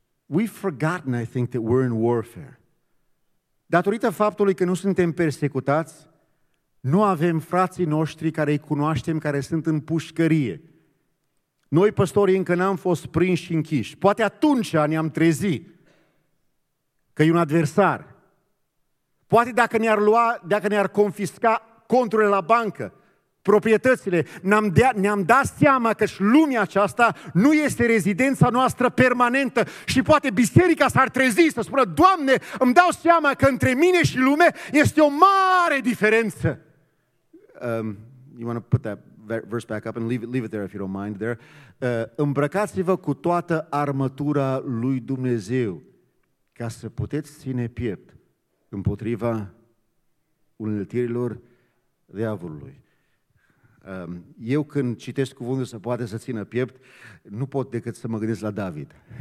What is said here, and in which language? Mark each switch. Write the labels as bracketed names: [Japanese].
[English] We've forgotten, I think, that we're in warfare. [Romanian] Datorită faptului că nu suntem persecutați, nu avem frații noștri care îi cunoaștem, care sunt în pușcărie. Noi, păstorii, încă n-am fost prinși și închiși. Poate atunci ne-am trezit că e un adversar. Poate dacă ne-ar confisca conturile la bancă, proprietățile, ne-am dat seama că și lumea aceasta nu este rezidența noastră permanentă și poate biserica s-ar trezi să spună: Doamne, îmi dau seama că între mine și lume este o mare diferență. [English] You want to put that verse back up and leave it there if you don't mind there. [Romanian] Îmbrăcați-vă cu toată armătura lui Dumnezeu ca să puteți ține piept împotriva uneltirilor diavolului. Eu când citesc cuvântul să poată să țină piept, nu pot decât să mă gândesc la David.